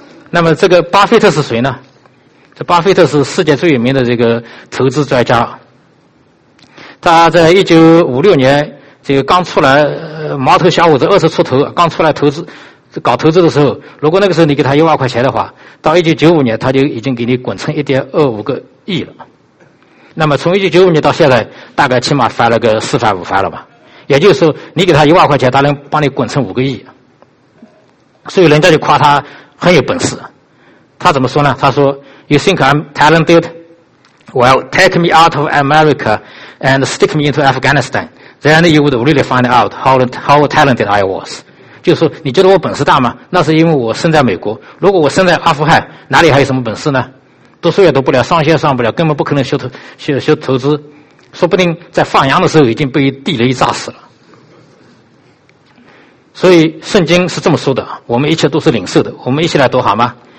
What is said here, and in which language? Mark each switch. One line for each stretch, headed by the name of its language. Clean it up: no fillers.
Chinese: 那么这个巴菲特是谁呢？这巴菲特是世界最有名的这个投资专家，他在1956年这个刚出来，毛头小伙子，20出头，刚出来投资，搞投资的时候，如果那个时候你给他10000块钱的话，到1995年他就已经给你滚成1.25亿了。那么从1995年到现在，大概起码翻了个4番5番了吧？也就是说，你给他10000块钱，他能帮你滚成5亿。所以人家就夸他很有本事。他怎么说呢？他说 ：
English: “You think I'm talented? Well, take me out of America and stick me into Afghanistan.” Then you would really find out how talented I was.
Chinese: 就是说你觉得我本事大吗？那是因为我生在美国。如果我生在阿富汗，哪里还有什么本事呢？读书也读不了，上学上不了，根本不可能学投资。说不定在放羊的时候已经被地雷炸死了。所以圣经是这么说的，我们一切都是领受的。我们一起来读好吗？